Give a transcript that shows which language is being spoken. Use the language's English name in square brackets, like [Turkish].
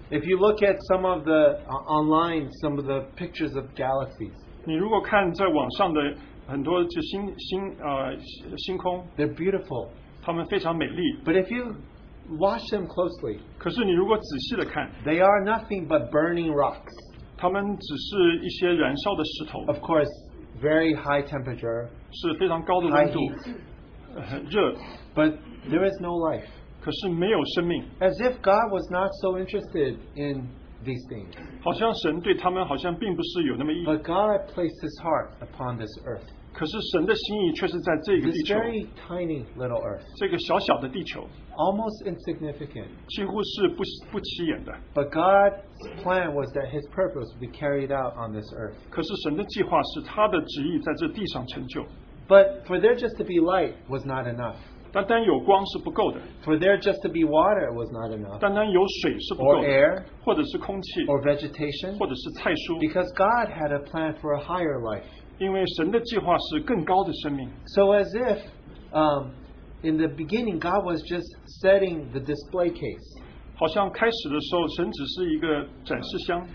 [English] If you look at some of the online, some of the pictures of galaxies, [Chinese] 你如果看在网上的很多就星星, [English] ,星空, they're beautiful. [Chinese] 他们非常美丽。 [English] But if you watch them closely, [Chinese] 可是你如果仔细地看, [English] they are nothing but burning rocks. [Chinese] 他们只是一些燃烧的石头, [English] of course, very high temperature, [Chinese] 是非常高的温度, [English] high heat, [Chinese] 热, [English] but there is no life. [Chinese] 可是没有生命, [English] as if God was not so interested in these things. [Chinese] 好像神对他们好像并不是有那么意, [English] but God placed His heart upon this earth. [Chinese] 可是神的心意却是在这个地球, [English] this very tiny little earth, [Chinese] 这个小小的地球, [English] almost insignificant, [Chinese] 几乎是不起眼的, [English] but God's plan was that His purpose would be carried out on this earth. [Chinese] 可是神的计划是他的旨意在这地上成就, [English] but for there just to be light was not enough. [Chinese] 单单有光是不够的, [English] for there just to be water was not enough. [Chinese] 单单有水是不够的, [English] or air, [Chinese] 或者是空气, [English] or vegetation, [Chinese] 或者是菜蔬, [English] because God had a plan for a higher life. So as if in the beginning God was just setting the display case. [Chinese] 好像开始的时候, 神只是一个展示箱,